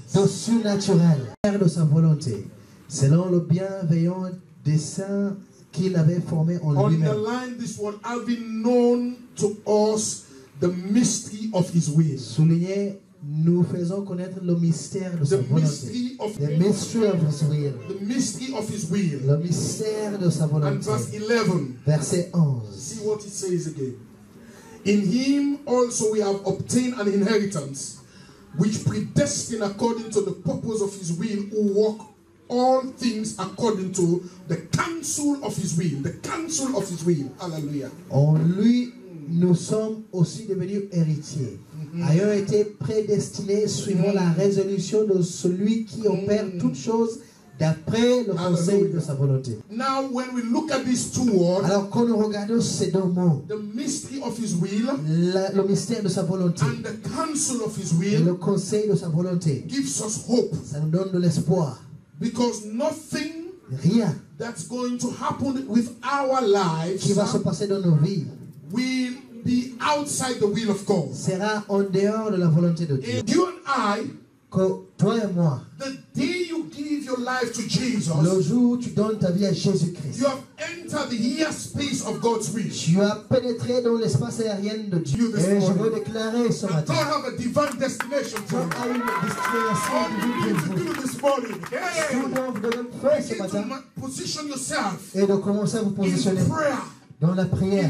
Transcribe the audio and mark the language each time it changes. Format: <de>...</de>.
<fr>De surnaturel, faire de sa volonté, selon le bienveillant dessein qu'il avait formé en lui-même.</fr> <en>Underline this one, having known to us the mystery of his will.</en> <fr>Soulignez, nous faisons connaître le mystère de sa mystery volonté.</fr> <en>Of the mystery of his will. The mystery of his will.</en> <fr>Le mystère de sa volonté.</fr> <en>And verse 11.</en> <fr>Verset 11.</fr> <en>See what it says again. In him also we have obtained an inheritance, which predestined according to the purpose of his will, who work all things according to the counsel of his will. The counsel of his will. Alléluia.</en> <fr>En lui, nous sommes aussi devenus héritiers, ayant été prédestinés suivant la résolution de celui qui opère toutes choses d'après le conseil de sa volonté.</fr> <en>Now, when we look at these two words,</en> <fr>alors quand nous regardons ces deux mots,</fr> <en>the mystery of his will,</en> <fr>le mystère de sa volonté,</fr> <en>and the counsel of his will,</en> <fr>et le conseil de sa volonté,</fr> <en>gives us hope,</en> <fr>ça nous donne de l'espoir.</fr> <en>Because nothing,</en> <fr>rien,</fr> <en>that's going to happen with our lives,</en> <fr>qui va se passer dans nos vies,</fr> <en>will be outside the will of God.</en> <fr>Sera en dehors de la volonté de Dieu.</fr> <en>And you and I,</en> <fr>que toi et moi,</fr> <en>the day you give your life to Jesus,</en> <fr>le jour où tu donnes ta vie à Jésus-Christ,</fr> <en>you have entered the here space of God's will.</en> <fr>Tu as pénétré dans l'espace aérien de Dieu.</fr> <en>You</en> <fr>et je veux déclarer ce matin,</fr> <en>God have a divine destination for you. All you need to do this morning,</en> <fr>tu dois vous faire ce matin,</fr> <en>position yourself</en> <fr>et de commencer à vous positionner</fr> <en>in prayer,</en> <fr>dans la prière,</fr>